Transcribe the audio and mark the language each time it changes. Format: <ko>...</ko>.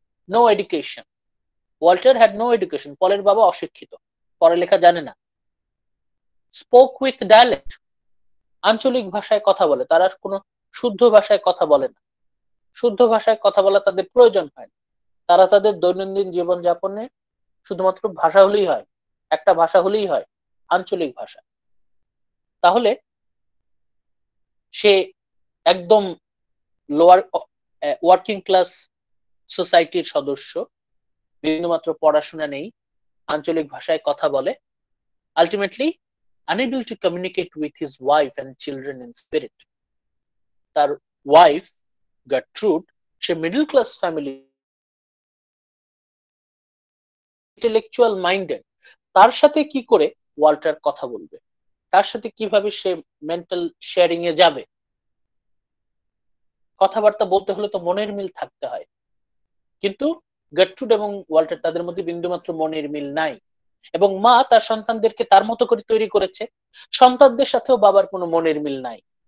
<en>No education, Walter had no education.</en> <bn>পলের বাবা অশিক্ষিত, পড়ালেখা জানে না,</bn> <en>spoke with dialect,</en> <bn>আঞ্চলিক ভাষায় কথা বলে, তারা কোনো শুদ্ধ ভাষায় কথা বলে না, শুদ্ধ ভাষায় কথা বলা তাদের প্রয়োজন হয় না, তারা তাদের দৈনন্দিন জীবনযাপনে শুধুমাত্র ভাষা হলেই হয়, একটা ভাষা হলেই হয়, আঞ্চলিক ভাষা। তাহলে সে একদম লোয়ার ওয়ার্কিং ক্লাস সোসাইটির সদস্য, বিন্দুমাত্র পড়াশোনা নেই, আঞ্চলিক ভাষায় কথা বলে, ultimately</bn> <en>unable to communicate with his wife and children in spirit.</en> <bn>তার ওয়াইফ গার্ট্রুড, সে middle class family, intellectual minded, তার সাথে কি করে ওয়াল্টার কথা বলবে, তার সাথে কিভাবে সে মেন্টাল শেয়ারিং এ যাবে, কথাবার্তা বলতে হলে তো মনের মিল থাকতে হয়, কিন্তু গার্ট্রুড এবং ওয়াল্টার তাদের মধ্যে বিন্দুমাত্র মনের মিল নাই, এবং মা তার সন্তানদেরকে তার মতো করে তৈরি করেছে, সন্তানদের সাথেও বাবার কোনো মনের মিল নাই।</bn>